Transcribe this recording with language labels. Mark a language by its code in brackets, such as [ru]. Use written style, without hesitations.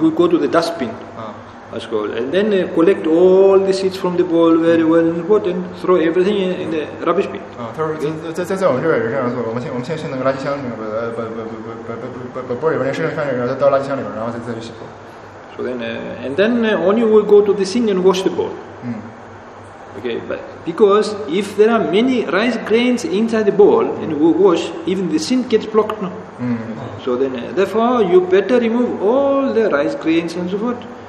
[en] We go to the dustbin, as called, and then collect all the seeds from the bowl very well and what, and throw everything in the rubbish bin. [zh] 在我们这边也是这样做，我们先去那个垃圾箱里面，把玻璃把那剩下饭粒，然后倒垃圾箱里边，然后再去洗。 [en] So then, and then only we go to the sink and wash the bowl. Okay, but because if there are many rice grains inside the bowl and we wash, even the sink gets blocked. No? So then, therefore, you better remove all the rice grains and so forth.